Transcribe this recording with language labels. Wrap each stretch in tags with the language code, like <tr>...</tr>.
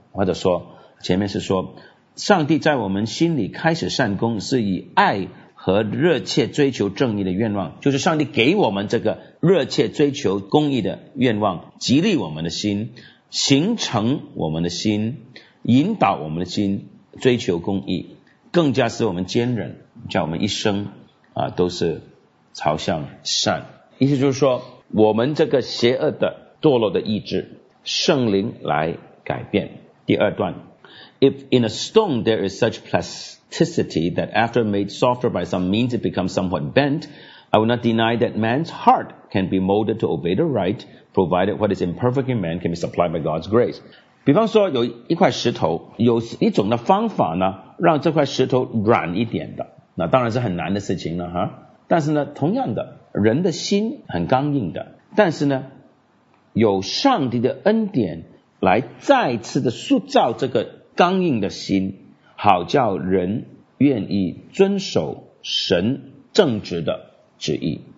<zh>或者说前面是说上帝在我们心里开始善功是以爱和热切追求正义的愿望，就是上帝给我们这个热切追求公义的愿望，激励我们的心，形成我们的心，引导我们的心追求公义，更加使我们坚忍，叫我们一生啊都是朝向善。意思就是说，我们这个邪恶的堕落的意志，圣灵来改变。第二段，</zh> <en>If in a stone there is such plasticity that after made softer by some means it becomes somewhat bent, I will not deny that man's heart can be molded to obey the right, provided what is imperfect in man can be supplied by God's grace.</en> <zh>比方说有一块石头，有一种的方法呢，让这块石头软一点的，那当然是很难的事情了哈。但是呢，同样的，人的心很刚硬的，但是呢，有上帝的恩典来再次的塑造这个刚硬的心，好叫人愿意遵守神正直的旨意。</zh>